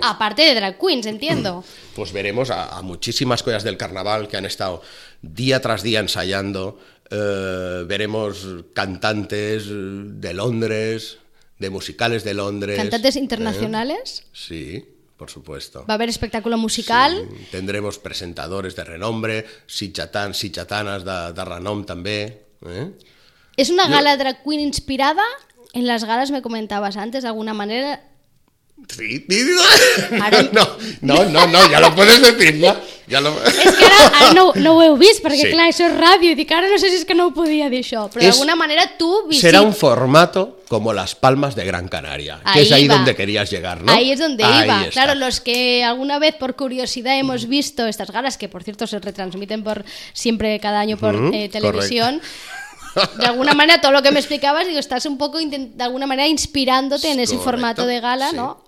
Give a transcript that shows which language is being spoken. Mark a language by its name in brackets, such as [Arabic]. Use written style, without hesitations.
[Spanish] Aparte de drag queens, entiendo. Pues veremos a muchísimas collas del carnaval que han estado día tras día ensayando. Veremos cantantes de Londres, de musicales de Londres. ¿Cantantes internacionales? Sí. Por supuesto. Va a haber espectáculo musical. Sí, tendremos presentadores de renombre, sitxatanes [Catalan] de renom també. [Spanish] ¿Es una gala drag queen inspirada en las galas me comentabas antes, de alguna manera... Sí, no, ya lo puedes decir, ¿no? Ya lo... [Catalan] Es que ara, no ho heu vist, perquè sí. Clar, això és ràdio, i dic, ara no sé si és que no ho podia dir això, però d'alguna manera tu... Visit... [Spanish] Serà un formato como las Palmas de Gran Canaria, que ahí es ahí va. Donde querías llegar, ¿no? Ahí es donde ahí iba. Está. Claro, los que alguna vez por curiosidad hemos visto estas galas, que por cierto se retransmiten por siempre cada año por televisión... Correcto. De alguna manera, todo lo que me explicabas, digo, estás un poco de alguna manera inspirándote en ese correcto, formato de gala, sí. ¿No?